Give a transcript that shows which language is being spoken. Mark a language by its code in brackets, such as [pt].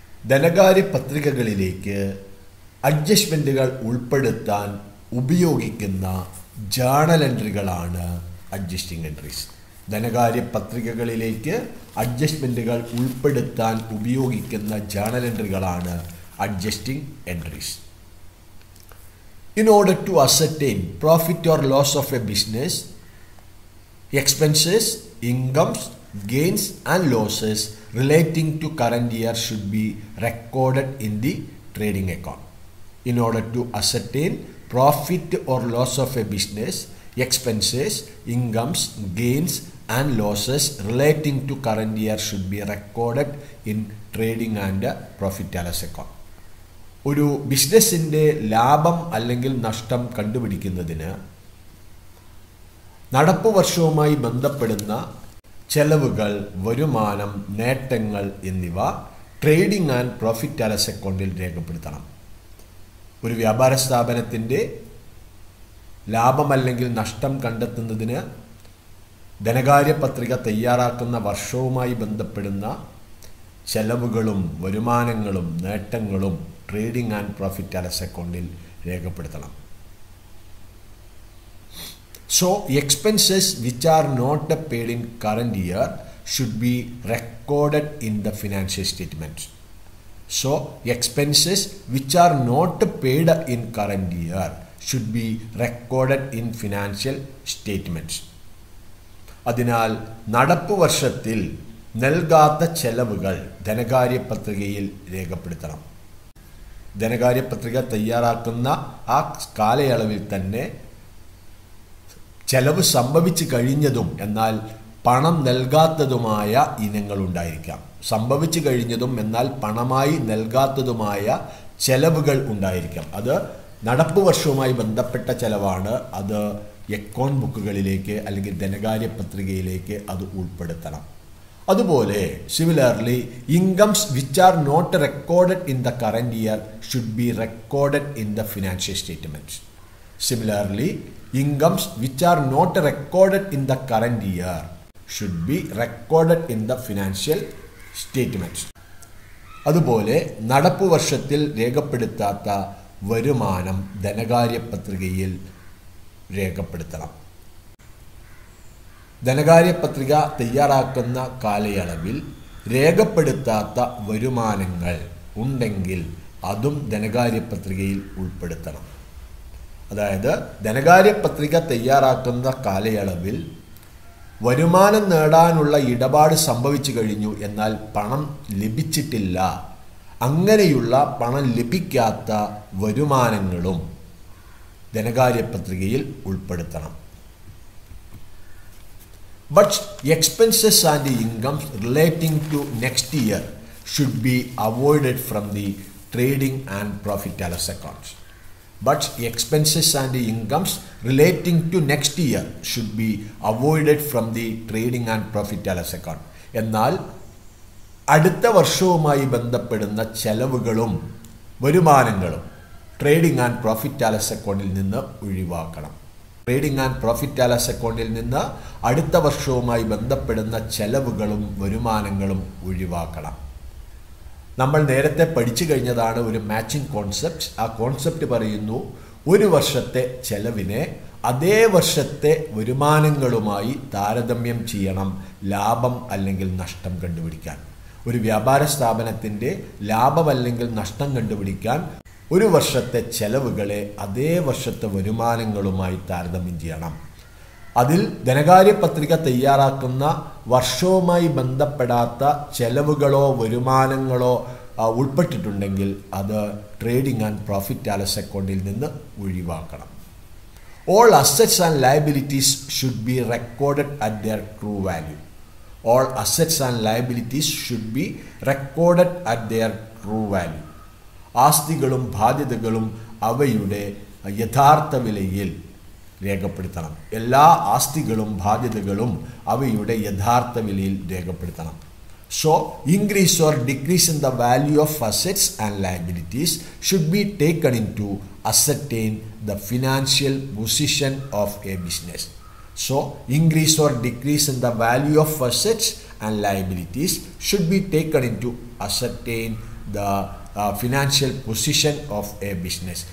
[ml] ധനകാര്യ പത്രികകളിലേക്ക് അഡ്ജസ്റ്റ്മെൻറ്റുകൾ ഉൾപ്പെടുത്താൻ ഉപയോഗിക്കുന്ന ജേണൽ എൻട്രികളാണ് അഡ്ജസ്റ്റിംഗ് എൻട്രീസ്. ധനകാര്യ പത്രികകളിലേക്ക് അഡ്ജസ്റ്റ്മെൻറ്റുകൾ ഉൾപ്പെടുത്താൻ ഉപയോഗിക്കുന്ന journal എൻട്രികളാണ് adjusting entries. [en] In order to ascertain profit or loss of a business expenses incomes gains and losses relating to current year should be recorded in the trading account. In order to ascertain profit or loss of a business, expenses, incomes, gains and losses relating to current year should be recorded in trading and profit and loss account. [ml] ഒരു ബിസിനസ്സിൻ്റെ ലാഭം അല്ലെങ്കിൽ നഷ്ടം കണ്ടുപിടിക്കുന്നതിന് നടപ്പ് വർഷവുമായി ബന്ധപ്പെടുന്ന ചെലവുകൾ, വരുമാനം, നേട്ടങ്ങൾ എന്നിവ trading and profit and loss അക്കൗണ്ടിൽ രേഖപ്പെടുത്തണം. ഒരു വ്യാപാര സ്ഥാപനത്തിൻ്റെ ലാഭമല്ലെങ്കിൽ നഷ്ടം കണ്ടെത്തുന്നതിന് ധനകാര്യ പത്രിക തയ്യാറാക്കുന്ന വർഷവുമായി ബന്ധപ്പെടുന്ന ചെലവുകളും വരുമാനങ്ങളും നേട്ടങ്ങളും trading and profit and loss അക്കൗണ്ടിൽ രേഖപ്പെടുത്തണം. [en] So expenses which are not paid in current year should be recorded in the financial statements. So expenses which are not paid in current year should be recorded in financial statements. [ml] അതിനാൽ നടപ്പ് വർഷത്തിൽ നൽകാത്ത ചെലവുകൾ ധനകാര്യ പത്രികയിൽ രേഖപ്പെടുത്തണം. ധനകാര്യ പത്രിക തയ്യാറാക്കുന്ന ആ കാലയളവിൽ തന്നെ ചെലവ് സംഭവിച്ചു കഴിഞ്ഞതും എന്നാൽ പണം നൽകാത്തതുമായ ഇനങ്ങൾ ഉണ്ടായിരിക്കാം. സംഭവിച്ചു കഴിഞ്ഞതും എന്നാൽ പണമായി നൽകാത്തതുമായ ചെലവുകൾ ഉണ്ടായിരിക്കാം. അത് നടപ്പ് വർഷവുമായി ബന്ധപ്പെട്ട ചെലവാണ്. അത് അക്കൗണ്ട് ബുക്കുകളിലേക്ക് അല്ലെങ്കിൽ ധനകാര്യ പത്രികയിലേക്ക് അത് ഉൾപ്പെടുത്തണം. അതുപോലെ [en] Similarly incomes which are not recorded in the current year should be recorded in the financial statements. Similarly incomes which are not recorded in the current year should be recorded in the financial statements. [ml] അതുപോലെ നടപ്പ് വർഷത്തിൽ രേഖപ്പെടുത്താത്ത വരുമാനം ധനകാര്യ പത്രികയിൽ രേഖപ്പെടുത്തണം. ധനകാര്യ പത്രിക തയ്യാറാക്കുന്ന കാലയളവിൽ രേഖപ്പെടുത്താത്ത വരുമാനങ്ങൾ ഉണ്ടെങ്കിൽ അതും ധനകാര്യപത്രികയിൽ ഉൾപ്പെടുത്തണം. അതായത് ധനകാര്യപത്രിക തയ്യാറാക്കുന്ന കാലയളവിൽ വരുമാനം നേടാനുള്ള ഇടപാട് സംഭവിച്ചു കഴിഞ്ഞു, എന്നാൽ പണം ലഭിച്ചിട്ടില്ല, അങ്ങനെയുള്ള പണം ലഭിക്കാത്ത വരുമാനങ്ങളും ധനകാര്യപത്രികയിൽ ഉൾപ്പെടുത്തണം. [en] But expenses and the incomes relating to next year should be avoided from the trading and profit loss accounts. But expenses and the incomes relating to next year should be avoided from the trading and profit loss account. [ml] എന്നാൽ അടുത്ത വർഷവുമായി ബന്ധപ്പെടുന്ന ചെലവുകളും വരുമാനങ്ങളും trading and profit loss അക്കൗണ്ടിൽ നിന്ന് ഒഴിവാക്കണം. Trading and profit loss അക്കൗണ്ടിൽ നിന്ന് അടുത്ത വർഷവുമായി ബന്ധപ്പെടുന്ന ചെലവുകളും വരുമാനങ്ങളും ഒഴിവാക്കണം. നമ്മൾ നേരത്തെ പഠിച്ചു കഴിഞ്ഞതാണ് ഒരു മാച്ചിങ് കോൺസെപ്റ്റ്. ആ കോൺസെപ്റ്റ് പറയുന്നു, ഒരു വർഷത്തെ ചെലവിനെ അതേ വർഷത്തെ വരുമാനങ്ങളുമായി താരതമ്യം ചെയ്യണം ലാഭം അല്ലെങ്കിൽ നഷ്ടം കണ്ടുപിടിക്കാൻ. ഒരു വ്യാപാര സ്ഥാപനത്തിൻ്റെ ലാഭം അല്ലെങ്കിൽ നഷ്ടം കണ്ടുപിടിക്കാൻ ഒരു വർഷത്തെ ചെലവുകളെ അതേ വർഷത്തെ വരുമാനങ്ങളുമായി താരതമ്യം ചെയ്യണം. അതിൽ ധനകാര്യപത്രിക തയ്യാറാക്കുന്ന വർഷവുമായി ബന്ധപ്പെടാത്ത ചെലവുകളോ വരുമാനങ്ങളോ ഉൾപ്പെട്ടിട്ടുണ്ടെങ്കിൽ അത് ട്രേഡിംഗ് ആൻഡ് പ്രോഫിറ്റ് ലോസ് അക്കൗണ്ടിൽ നിന്ന് ഒഴിവാക്കണം. [en] All assets and liabilities should be recorded at their true value. All assets and liabilities should be recorded at their true value. [ml] ആസ്തികളും ബാധ്യതകളും അവയുടെ യഥാർത്ഥ വിലയിൽ രേഖപ്പെടുത്തണം. എല്ലാ ആസ്തികളും ബാധ്യതകളും അവയുടെ യഥാർത്ഥ വിലയിൽ രേഖപ്പെടുത്തണം. [en] So increase or decrease in the value of assets and liabilities should be taken into ascertain the financial position of a business. So increase or decrease in the value of assets and liabilities should be taken into ascertain the financial position of a business.